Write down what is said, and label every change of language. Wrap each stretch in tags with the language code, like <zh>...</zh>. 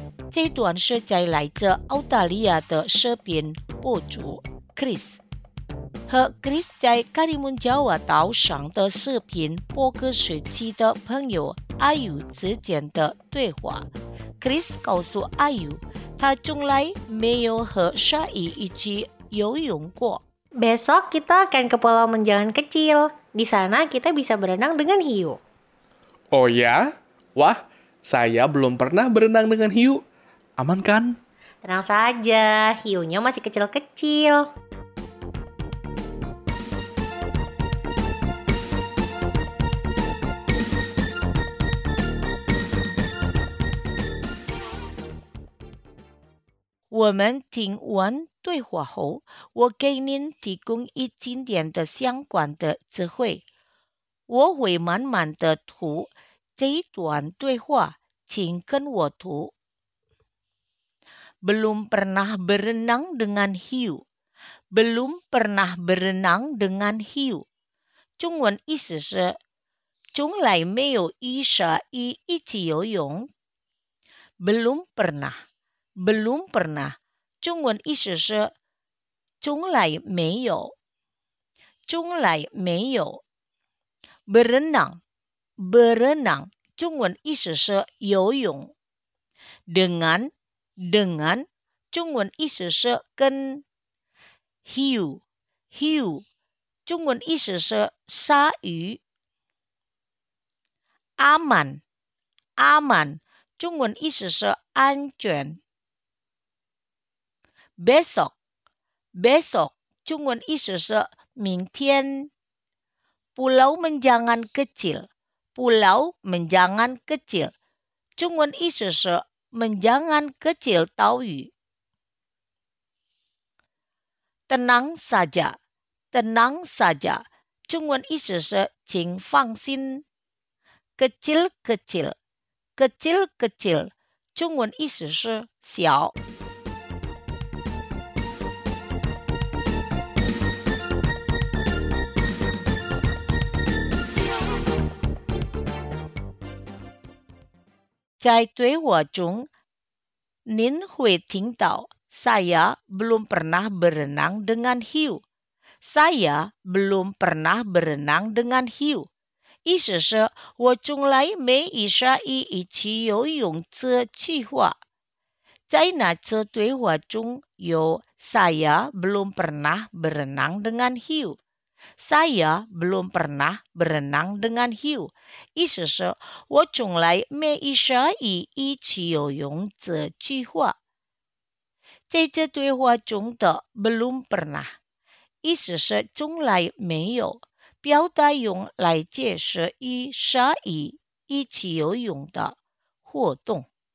<zh>这段是在来自澳大利亚的视频博主 Chris 和 Chris 在卡里蒙加瓦岛上的视频播客时期的朋友阿尤之间的对话。Chris 告诉阿尤，他从来没有和鲨鱼一起游泳过。</zh> <id>Besok kita akan ke pulau menjangan kecil. Di sana kita bisa berenang dengan hiu. Oh ya? Wah, saya belum pernah berenang dengan hiu. Aman kan? Tenang saja, hiunya masih kecil-kecil.</id> <zh>Kita 对话后，我给您提供一点点的相关的词汇。我会慢慢的读这一段对话，请跟我读。</zh> <id>Belum pernah berenang dengan hiu. Belum pernah berenang dengan hiu.</id> <zh>中文意思是：从来没有与鲨鱼一起游泳。</zh> <id>Belum pernah. Belum pernah.</id> <zh>中文意思是从来没有，从来没有。 Berenang, berenang, 中文意思是游泳。 Dengan, dengan, 中文意思是跟。 Hiu, hiu, 中文意思是鲨鱼。 Aman, aman, 中文意思是安全。 Besok, besok, 中文意思是明天。</zh> <id>Pulau menjangan kecil, pulau menjangan kecil,</id> <zh>中文意思是menjangan kecil 岛屿。</zh> <id>Tenang saja, tenang saja,</id> <zh>中文意思是请放心。 Kecil kecil, kecil kecil, 中文意思是小。在对话中，您会听到</zh> <id>saya belum pernah berenang dengan hiu. Saya belum pernah berenang dengan hiu.</id> <zh>意思是我从来没与鲨鱼一起游泳这句话。在那次对话中有</zh> <id>saya belum pernah berenang dengan hiu. Saya belum pernah berenang dengan hiu.</id> <zh>意思是我从来没与鲨鱼一起游泳这句话。在这对话中的 belum pernah, 意思是从来没有，表达用来解释与鲨鱼一起游泳的活动。</zh>